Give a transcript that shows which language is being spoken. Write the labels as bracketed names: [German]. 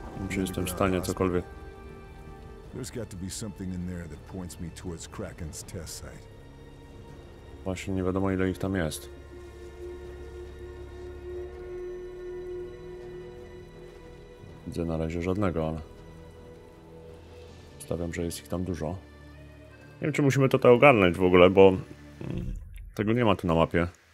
[Polish] Czy jestem w stanie cokolwiek? [English] There's got to be something in there that points me towards Kraken's test site. [Polish] Właśnie nie wiadomo, ile ich tam jest. Widzę na razie żadnego, ale... stawiam, że jest ich tam dużo. Nie wiem, czy musimy tutaj ogarnąć w ogóle, bo... tego nie ma tu na mapie.